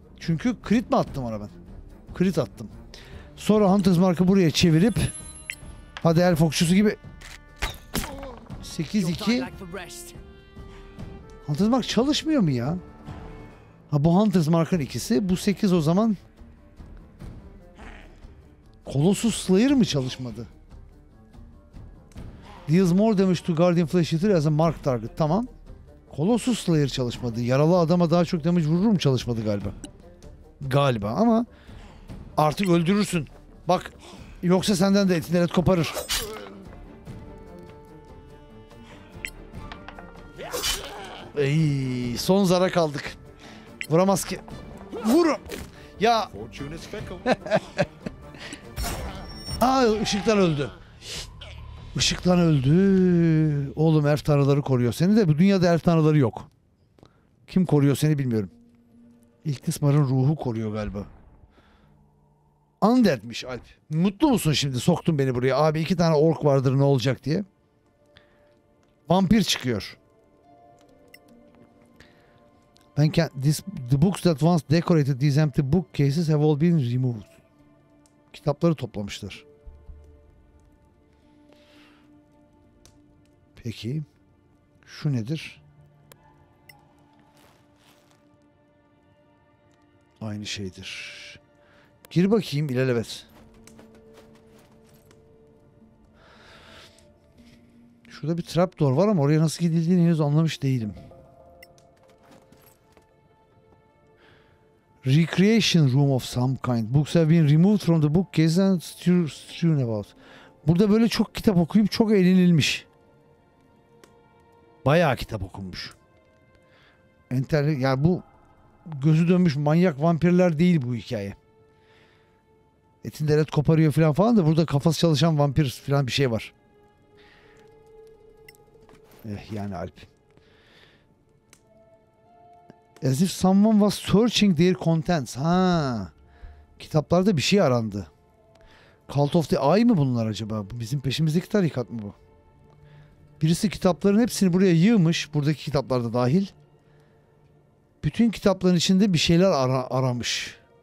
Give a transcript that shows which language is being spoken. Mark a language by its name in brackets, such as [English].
[Turkish] Çünkü crit mi attım ona ben? Crit attım. Sonra Hunter's Mark'ı buraya çevirip hadi elf okçusu gibi 8-2. Hunter's Mark çalışmıyor mu ya? Ha bu Hunter's Mark'ın ikisi. Bu 8 o zaman Colossus Slayer mı çalışmadı? [English] Deals more damage to Guardian Flesh Eater as a mark target. [Turkish] Tamam. Colossus Slayer çalışmadı. Yaralı adama daha çok damage vururum çalışmadı galiba. Galiba ama artık öldürürsün. Bak yoksa senden de etinden et koparır. Ey, son zara kaldık. Vuramaz ki. Vurum. Ya. Aa ışıktan öldü. Işıktan öldü. Oğlum elf tanrıları koruyor seni de bu dünyada elf tanrıları yok. Kim koruyor seni bilmiyorum. İlknismar'ın ruhu koruyor galiba. Undead'miş Alp. Mutlu musun şimdi soktun beni buraya. Abi iki tane ork vardır ne olacak diye. Vampir çıkıyor. Ben [English] the books that once decorated these empty bookcases have all been removed. [Turkish] Kitapları toplamışlar. Peki. Şu nedir? Aynı şeydir. Gir bakayım ilelebet. Şurada bir trapdoor var ama oraya nasıl gidildiğini henüz anlamış değilim. [English] Recreation room of some kind. Books have been removed from the bookcase and strewn about. [Turkish] Burada böyle çok kitap okuyup çok eğlenilmiş. Bayağı kitap okunmuş. Enter, ya bu gözü dönmüş manyak vampirler değil bu hikaye. Etinde et koparıyor falan falan da burada kafası çalışan vampir falan bir şey var. Eh yani Alp. [English] As if someone was searching their contents. Ha. [Turkish] Kitaplarda bir şey arandı. Cult of the Eye mı bunlar acaba? Bizim peşimizdeki tarikat mı bu? Birisi kitapların hepsini buraya yığmış. Buradaki kitaplar da dahil. Bütün kitapların içinde bir şeyler aramış.